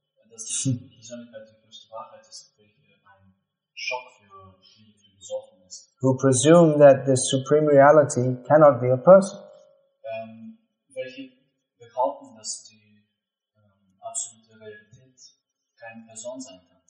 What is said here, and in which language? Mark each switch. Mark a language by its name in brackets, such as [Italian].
[German] Dass diese Persönlichkeit die höchste Wahrheit ist, wirklich ein Schock für viele Philosophen ist. [English] Who presume that the supreme reality cannot be a person. [German] Welche behaupten, dass die absolute Realität keine Person sein kann.